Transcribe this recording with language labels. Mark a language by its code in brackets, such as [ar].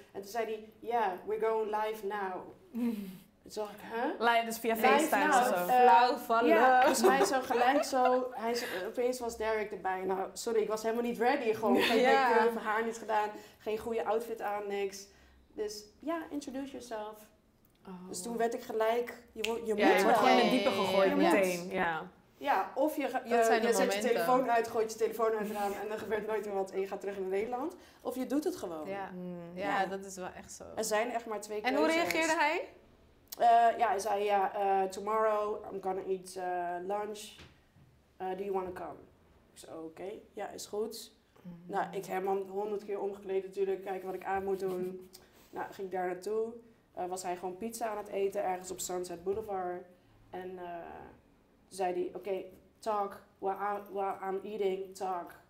[nl] En toen zei hij, ja, [en] we're going live now. [nl] Toen zag ik, live, dus via FaceTime of zo. Flauw van Dus hij zo gelijk zo. Hij zo, opeens was Derek erbij. Nou, sorry, ik was helemaal niet ready. Gewoon geen make-up, haar niet gedaan. Geen goede outfit aan, niks. Dus ja, [en] introduce yourself. Oh. [nl] Dus toen werd ik gelijk, je ja, moet je wordt gewoon in het diepe gegooid meteen. Ja, ja of je zet je telefoon uit, gooit je telefoon uit raam en er gebeurt nooit meer wat en je gaat terug in Nederland. Of je doet het gewoon. Ja. Ja, dat is wel echt zo. Er zijn echt maar twee keuzes. En hoe reageerde hij? Hij zei, ja, [en] tomorrow I'm gonna eat lunch. Do you wanna come? [nl] Ik zei, oké, ja, is goed. Mm. Nou, ik heb hem 100 keer omgekleed natuurlijk, kijken wat ik aan moet doen. Nou, ging ik daar naartoe. Was hij gewoon pizza aan het eten ergens op Sunset Boulevard. En zei hij, oké, [en] talk while I'm eating, talk.